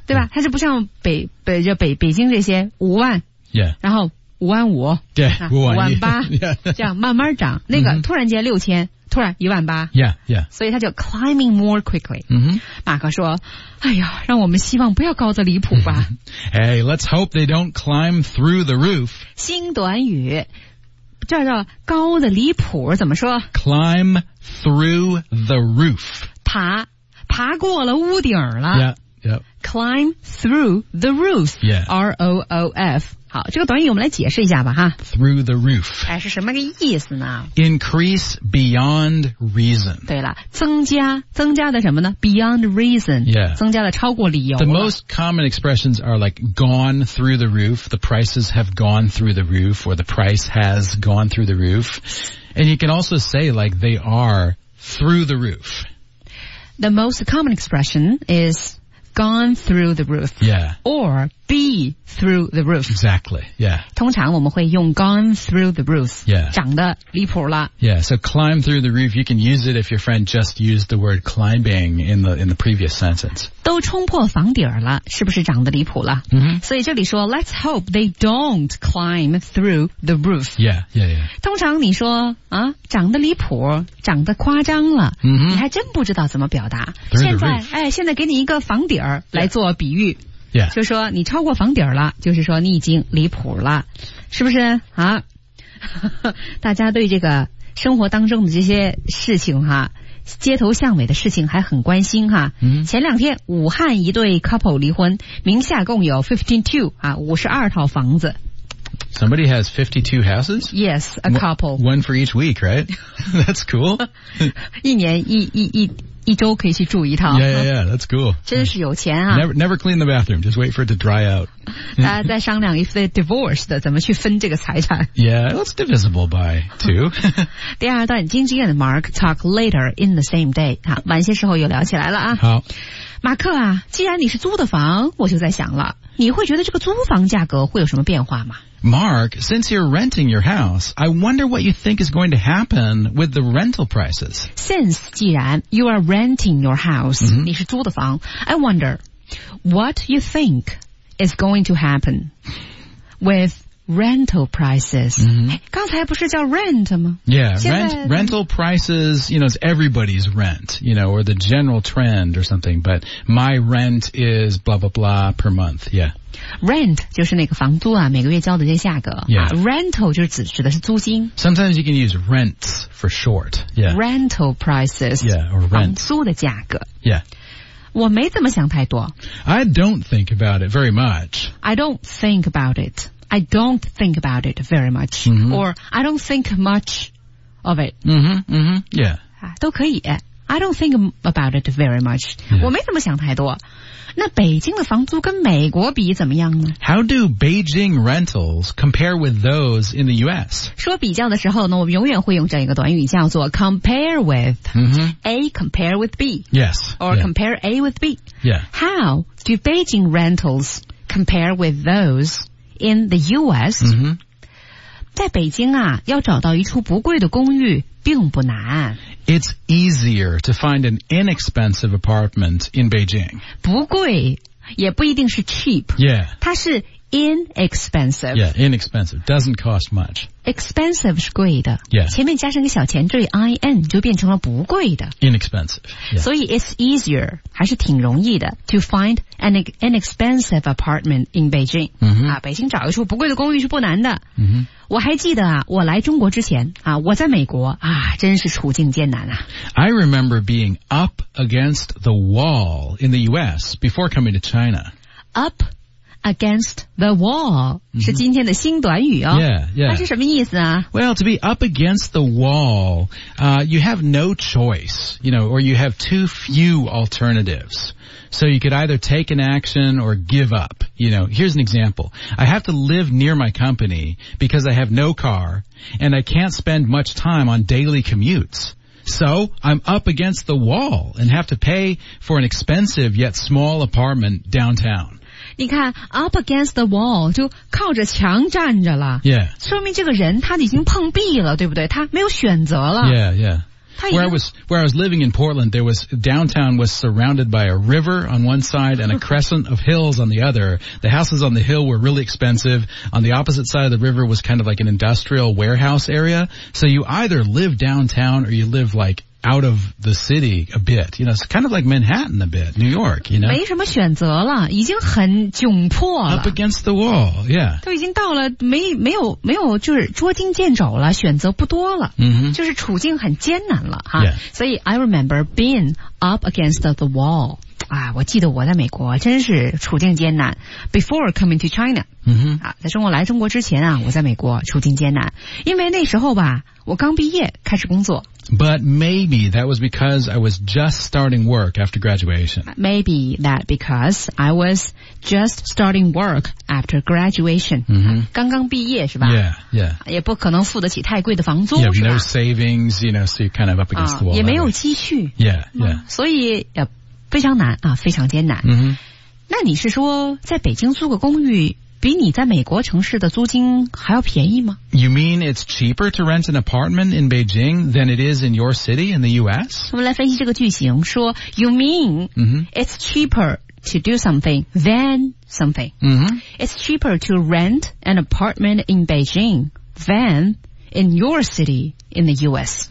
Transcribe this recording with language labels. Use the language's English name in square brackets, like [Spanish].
[Chinese] 对吧？它是不像北京这些五万。 [English] Yeah. [Chinese] 然后五万五。对。五万八。 [English] Yeah. [Chinese] 这样慢慢涨。那个突然间六千。突然一万八。 [English] Yeah. [Chinese] 所以他就 [English] climbing more quickly. [Chinese] 嗯哼。马克说哎呀让我们希望不要高得离谱吧。 [English] Hey, let's hope they don't climb through the roof. [Chinese] 新短语。这叫高得离谱怎么说 [English] ?climb through the roof. [Chinese] 爬过了屋顶了。 [English] Yeah, yeah. Climb through the roof. Yeah. R-O-O-F. [Chinese] 好这个短语我们来解释一下吧哈。 [English] Through the roof. [Chinese] 哎是什么个意思呢 [English] ?Increase beyond reason. [Chinese] 对了增加的什么呢 ? [English] Beyond reason. Yeah. [Chinese] 增加的超过理由。 [English] The most common expressions are like gone through the roof, the prices have gone through the roof, or the price has gone through the roof. And you can also say like they are through the roof. The most common expression is,gone through the roof. Yeah. Or be through the roof. Exactly. Yeah. [Chinese] 通常我们会用 [English] gone through the roof. Yeah. [Chinese] 涨得离谱了。 [English] Yeah. So climb through the roof. You can use it if your friend just used the word climbing in the previous sentence. [Chinese] 都冲破房顶了是不是涨得离谱了、 [English] mm-hmm. [Chinese] 所以这里说 [English] let's hope they don't climb through the roof. Yeah. [Chinese] 通常你说啊涨得离谱涨得夸张了、 [English] mm-hmm. [Chinese] 你还真不知道怎么表达。现在给你一个房顶来做比喻、 [English] yeah. [Chinese] 就说你超过房顶了就是说你已经离谱了是不是啊大家对这个生活当中的这些事情哈街头巷尾的事情还很关心哈、嗯、前两天武汉一对 couple 离婚名下共有 52套房子 [English] Somebody has 52 houses? Yes, a couple One for each week, right? That's cool [Chinese] 一年一周可以去住一趟 [English] Yeah, that's cool [Chinese] 真是有钱啊 [English] Never clean the bathroom, just wait for it to dry out [Chinese] 大家在商量 [English] if they divorced [Chinese] 怎么去分这个财产 [English] Yeah, it's divisible by two [Chinese] 第二段经纪人 [English] Mark talk later in the same day [Chinese] 好晚些时候又聊起来了啊好马克啊既然你是租的房我就在想了你会觉得这个租房价格会有什么变化吗 [English] Mark, since you're renting your house, I wonder what you think is going to happen with the rental prices. Since, [Chinese] 既然 [English] you are renting your house,、 mm-hmm. [Chinese] 你是租的房 [English] I wonder what you think is going to happen with rental prices.、 Mm-hmm. [Chinese] 刚才不是叫 rent 吗 [English] Yeah, rental prices, you know, it's everybody's rent, you know, or the general trend or something, but my rent is blah, blah, blah per month, yeah. [Chinese] Rent 就是那个房租啊每个月交的这些价格、 [English] yeah. [Chinese] Rental 就是 指的是租金 [English] Sometimes you can use rents for short、yeah. Rental prices yeah, or rent. [Chinese] 房租的价格、 [English] yeah. [Chinese] 我没这么想太多 [English] I don't think about it very much I don't think about it very much、 mm-hmm. Or I don't think much of it mm-hmm, mm-hmm, yeah. [Chinese] 都可以 [English] I don't think about it very much、 yeah. [Chinese] 我没这么想太多那北京的房租跟美国比怎么样呢 [English] How do Beijing rentals compare with those in the US? [Chinese] 说比较的时候呢我们永远会用这样一个短语叫做 compare with、 [English] mm-hmm. A compare with B Yes Or、yeah. compare A with B Yeah How do Beijing rentals compare with those in the US?、 Mm-hmm. [Chinese] 在北京啊要找到一处不贵的公寓并不难 [English] It's easier to find an inexpensive apartment in Beijing. [Chinese] 不贵也不一定是 cheap. [English] Yeah. [Chinese] 它是 inexpensive. [English] Yeah, inexpensive. Doesn't cost much. [Chinese] Expensive 是贵的。 [English] Yeah. [Chinese] 前面加上个小前缀 in 就变成了不贵的。 [English] Inexpensive.、Yeah. [Chinese] 所以 [English] it's easier, [Chinese] 还是挺容易的 [English] to find an inexpensive apartment in Beijing.、 Mm-hmm. [Chinese] 啊、北京找一处不贵的公寓是不难的。嗯、mm-hmm. 我还记得啊我来中国之前啊我在美国啊真是处境艰难啊。 [English] I remember being up against the wall in the US before coming to China. Up against the wall、 [Chinese] mm-hmm. 是今天的新短语哦。 [English] Yeah, yeah. [Chinese] 它是什么意思啊 [English] Well, to be up against the wall,、you have no choice, you know, or you have too few alternatives. So you could either take an action or give up. You know, here's an example. I have to live near my company because I have no car and I can't spend much time on daily commutes. So I'm up against the wall and have to pay for an expensive yet small apartment downtown. [Chinese] 你看 up against the wall 就靠着墙站着了。 [English] Yeah. [Chinese] 说明这个人他已经碰壁了对不对他没有选择了。 [English] Yeah, yeah. Where I was living in Portland, there was downtown was surrounded by a river on one side and a crescent of hills on the other. The houses on the hill were really expensive. On the opposite side of the river was kind of like an industrial warehouse area. So you either live downtown or you live like out of the city a bit. You know, it's kind of like Manhattan a bit, New York, you know. [Chinese] 没什么选择了，已经很窘迫了。 [English] Up against the wall, yeah. [Chinese] 都已经到了没有就是捉襟见肘了，选择不多了。 [English] Mm-hmm. [Chinese] 就是处境很艰难了哈。 [English] Yeah. [Chinese] 所以 [English] I remember being up against the wall. [Chinese] 啊，我记得我在美国真是处境艰难。 [English] Before coming to China. [Chinese] 嗯哼。啊，在中国来中国之前啊，我在美国处境艰难。因为那时候吧，我刚毕业开始工作。 [English] But maybe that was because I was just starting work after graduation. Maybe that because I was just starting work after graduation. Mm-hmm. [Chinese] 刚刚毕业是吧 [English] Yeah, yeah. [Chinese] 也不可能付得起太贵的房租 [English] Yeah, no savings, you know, so you're kind of up against the wall. [Chinese] 也没有积蓄 [English] Yeah, yeah. [Chinese] 所以也非常难啊，非常艰难。 [English] Mm-hmm. [Chinese] 那你是说在北京租个公寓比你在美国城市的租金还要便宜吗 [English] You mean it's cheaper to rent an apartment in Beijing than it is in your city in the US? [Chinese] 我们来分析这个句型说 [English] You mean、 mm-hmm. it's cheaper to do something than something、 mm-hmm. It's cheaper to rent an apartment in Beijing than in your city in the US、